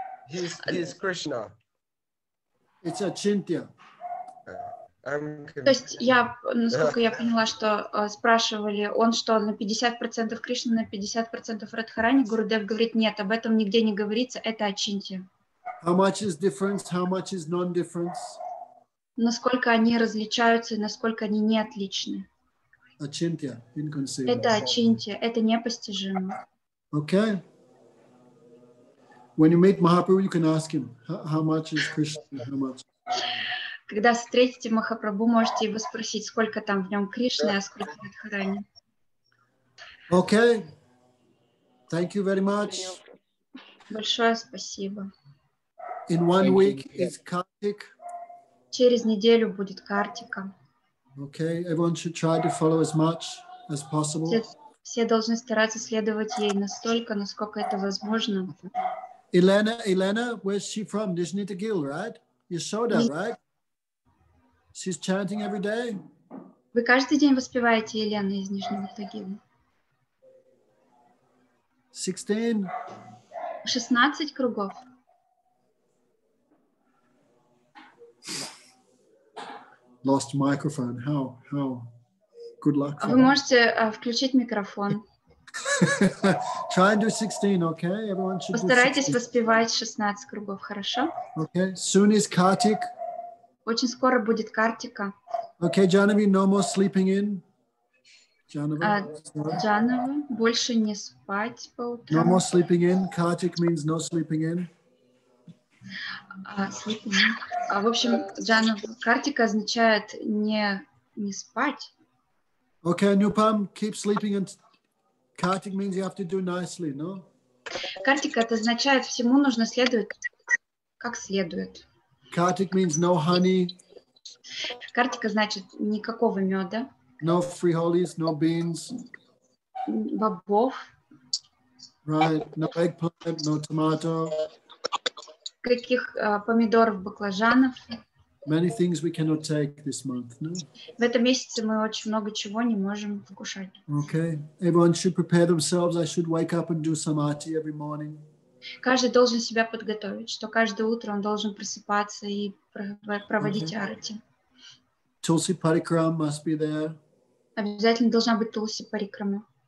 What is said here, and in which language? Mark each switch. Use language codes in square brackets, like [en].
[en] He's Krishna. It's Achintya. [ru] То есть я, насколько я поняла, что спрашивали, он что, на 50% Кришна, на 50% Радхарани? Гурудев говорит, нет, об этом нигде не говорится, это Ачинтия. [en] How much is difference, how much is non-difference? [ru] Насколько они различаются и насколько они не отличны? Ачинтия, inconceivable. Это Ачинтия, это непостижимо. [en] Okay. When you meet Mahaprabhu, you can ask him, how much is Krishna, how much? [ru] Когда встретите Махапрабху, можете его спросить, сколько там в нем Кришны, а сколько Радхарани. [en] Okay. Thank you very much. [ru] Большое спасибо. [en] In one week is Kartik. [ru] Через неделю будет Картика. [en] Okay, everyone should try to follow as much as possible. [ru] Все должны стараться следовать ей настолько, насколько это возможно. [en] Elena, where's she from? Nizhny Tagil, right? Yashoda, right? She's chanting every day. [ru] Вы каждый день воспеваете Елену из Нижнего Тагила? [en] 16. [ru] 16 кругов. [en] Lost microphone. How? Good luck. [ru] Вы можете включить микрофон. [en] Try and do 16, okay? Everyone should. [ru] Постарайтесь воспевать 16 кругов, хорошо? [en] Okay. Soon is Kartik. [ru] Очень скоро будет Картика. [en] Okay, Janavi, no more sleeping in. [ru] Janavi, больше не спать по утрам. [en] No more sleeping in. Kartik means no sleeping in. Sleeping in. [ru] В общем, Janavi, Картика означает не спать. [en] Okay, Anupam, keep sleeping in. Kartik means you have to do nicely, no? [ru] Kartik, это означает всему нужно следовать как следует. [en] Kartik means no honey. [ru] Kartik значит никакого меда. [en] No free hollies, no beans. [ru] Бобов. [en] Right, no eggplant, no tomato. [ru] Каких помидоров, баклажанов. [en] Many things we cannot take this month, no? [ru] В этом месяце мы очень много чего не можем вкушать. [en] Okay. Everyone should prepare themselves. I should wake up and do some arti every morning. [ru] Каждый должен себя подготовить, что каждое утро он должен просыпаться и проводить арти. [en] Tulsi parikram must be there. [ru] Обязательно должна быть тулси парикрама.